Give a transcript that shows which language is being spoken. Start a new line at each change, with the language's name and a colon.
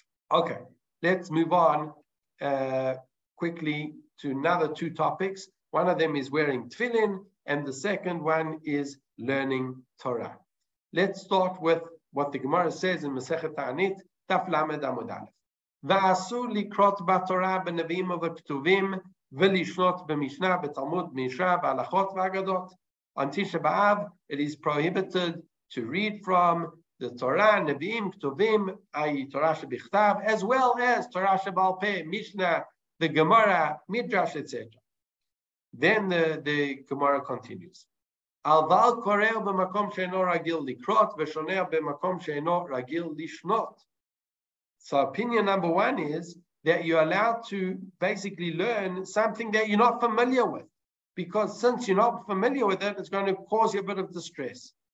English: Okay, let's move on quickly to another two topics. One of them is wearing tefillin, and the second one is learning Torah. Let's start with what the Gemara says in Masechet Ta'anit, Daf Lamed Amud Aleph.
Hebrew: Va'asu likrot ba'torah b'nevim v'ktuvim, ולשנות במשנה, בתלמוד, מישרה, בהלכות והגדות.
English: On Tisha B'Av, it is prohibited to read from the Torah,
Hebrew: נביאים, כתובים,
English: i.e. Torah
Hebrew: שבכתב,
English: as well as Torah
Hebrew: שבעל פה, מישנה,
English: the Gemara, Midrash, etc. Then the Gemara continues.
Hebrew: אבל קורא במקום שאינו רגיל לקרות, ושונה במקום שאינו רגיל לשנות.
English: So opinion number one is, that you're allowed to basically learn something that you're not familiar with. Because since you're not familiar with it, it's going to cause you a bit of distress.